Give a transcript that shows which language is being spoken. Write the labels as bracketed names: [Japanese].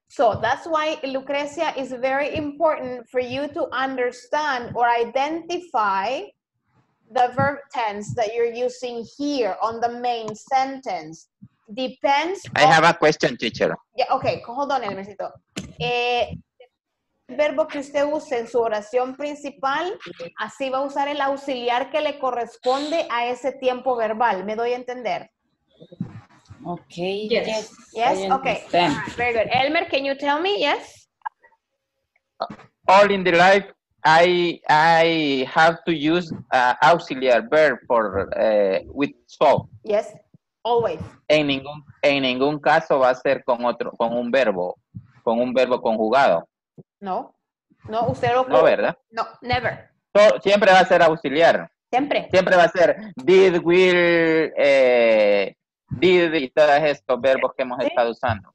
[English] So that's why, Lucrecia, is very important for you to understand or identify the verb tense that you're using here on the main sentence. Depends. I have a question, teacher. Yeah, okay, hold on, Elmercito. [Spanish] El verbo que usted use en su oración principal, así va a usar el auxiliar que le corresponde a ese tiempo verbal. ¿Me doy a entender? [English] Okay. Yes. Okay. Right, very good. Elmer, can you tell me? Yes. All in the life, I have to use auxiliary verb for with so. Yes. Always. [Spanish] En ningún caso va a ser con otro, con un verbo conjugado. No. No, usted lo. No, ¿verdad? [English] No, never. [Spanish] So, siempre va a ser auxiliar. Siempre. Siempre va a ser did, will, did y todos estos verbos que hemos estado usando.